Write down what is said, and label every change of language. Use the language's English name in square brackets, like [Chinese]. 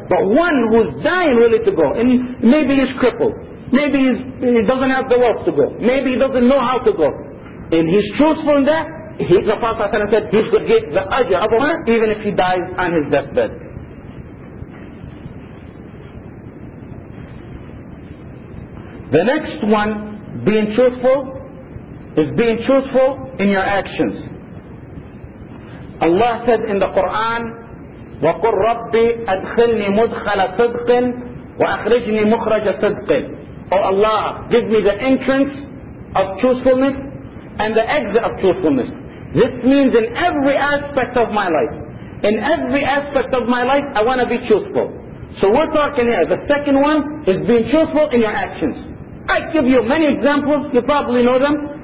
[English] But one who's dying really to go, and maybe he's crippled, maybe he doesn't have the wealth to go, maybe he doesn't know how to go, and he's truthful in that, the Prophet said, he's going to get the ajr of Allah, even if he dies on his deathbed. The next one, being truthful, is being truthful in your actions. Allah said in the Quran, [Arabic] وَقُلْ رَبِّ أَدْخِلْنِي مُدْخَلَ صِدْقٍ وَأَخْرِجْنِي مُخْرَجَ صِدْقٍ. [English] Oh Allah, give me the entrance of truthfulness and the exit of truthfulness. This means in every aspect of my life. In every aspect of my life, I want to be truthful. So we're talking here. The second one is being truthful in your actions. I give you many examples, you probably know them.